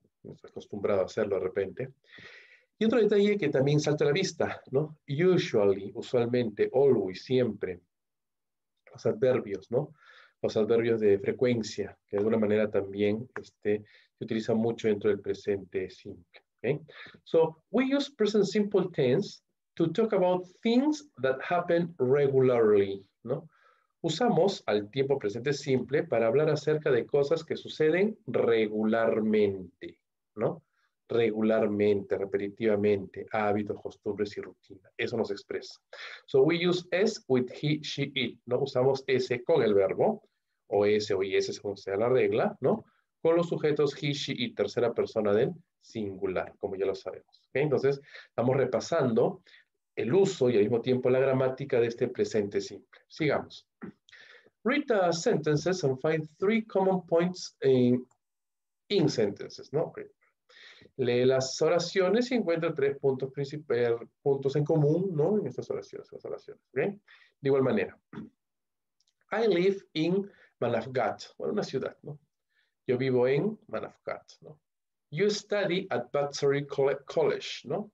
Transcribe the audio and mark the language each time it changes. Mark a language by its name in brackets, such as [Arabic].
[Spanish] Estoy acostumbrado a hacerlo de repente. Y otro detalle que también salta a la vista, ¿no? Usually, usualmente, always, siempre. Los adverbios, ¿no? Los adverbios de frecuencia, que de alguna manera también se utiliza mucho dentro del presente simple. ¿Okay? [English] So, we use present simple tense to talk about things that happen regularly, ¿no? [Spanish] Usamos al tiempo presente simple para hablar acerca de cosas que suceden regularmente, ¿no? Regularmente, repetitivamente, hábitos, costumbres y rutina. Eso nos expresa. [English] So we use s with he, she, it, [Spanish] ¿no? Usamos s con el verbo, o s o is, según sea la regla, ¿no? Con los sujetos he, she, it, tercera persona del singular, como ya lo sabemos. ¿Okay? Entonces, estamos repasando el uso y al mismo tiempo la gramática de este presente simple. Sigamos. [English] Read the sentences and find three common points in sentences, ¿no? Okay. [Spanish] Lee las oraciones y encuentra tres puntos puntos en común, ¿no? En estas oraciones, ¿okay? De igual manera. [English] I live in Manavgat, [Spanish] bueno, una ciudad, ¿no? Yo vivo en Manavgat, ¿no? [English] You study at Battery College, [Spanish] ¿no?